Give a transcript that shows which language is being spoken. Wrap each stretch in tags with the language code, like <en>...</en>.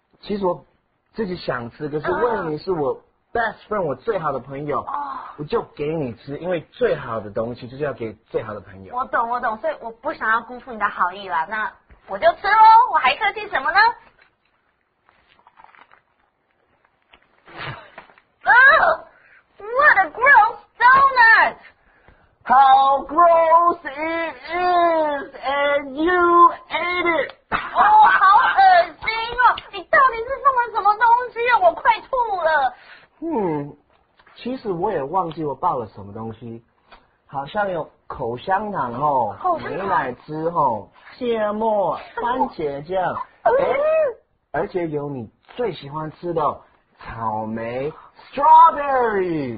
<zh>其实我自己想吃可是问你是我best friend 我最好的朋友、我就给你吃因为最好的东西就是要给最好的朋友我懂所以我不想要辜负你的好意啦那我就吃咯我还客气什么呢</zh> <en>What a gross donut How gross it is and you ate it</en> <zh>好恶心哦你到底是放了什么东西啊我快吐了其实我也忘记我抱了什么东西好像有口香糖齁牛奶汁齁芥末番茄酱而且有你最喜欢吃的草莓 strawberry</zh>